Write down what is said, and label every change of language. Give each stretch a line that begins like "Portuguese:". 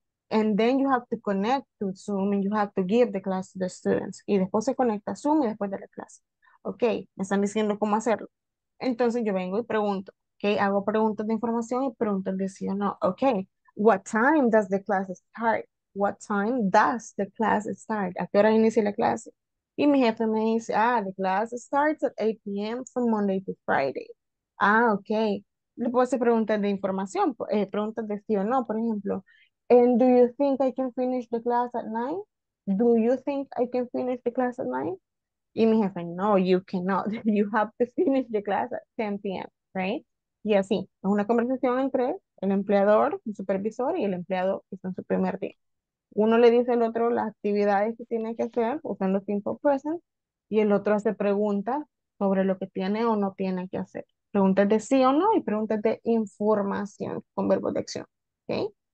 English: And then you have to connect to Zoom and you have to give the class to the students.
Spanish: Y después se conecta a Zoom y después de la clase. Ok, me están diciendo cómo hacerlo. Entonces yo vengo y pregunto. Ok, hago preguntas de información y pregunto de sí o no.
English: Ok, what time does the class start? What time does the class start?
Spanish: ¿A qué hora inicia la clase? Y mi jefe me dice,
English: the class starts at 8 p.m. from Monday to Friday. Ok.
Spanish: Le puedo hacer preguntas de información, preguntas de sí o no, por ejemplo.
English: And do you think I can finish the class at 9? Do you think I can finish the class at 9?
Spanish: Y mi jefe,
English: no, you cannot. You have to finish the class at 10 p.m., right?
Spanish: Y así, es una conversación entre el empleador, el supervisor y el empleado que está en su primer día. Uno le dice al otro las actividades que tiene que hacer usando simple present y el otro hace preguntas sobre lo que tiene o no tiene que hacer. Preguntas de sí o no y preguntas de información con verbo de acción. ¿Okay?